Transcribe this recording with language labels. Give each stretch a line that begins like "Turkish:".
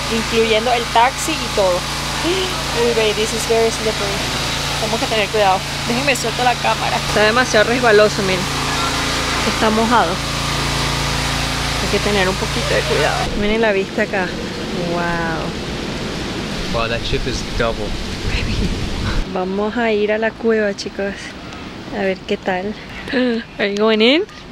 Spanish: Incluyendo el taxi y todo.
English: Uy, baby, this is very slippery.
Spanish: Tenemos que tener cuidado. Déjenme suelto la cámara. Está demasiado resbaloso, miren. Está mojado. Hay que tener un poquito de cuidado. Miren la vista acá. Wow.
English: Wow, that ship is double.
Spanish: Baby. Vamos a ir a la cueva, chicos. A ver qué tal.
English: Are you going in?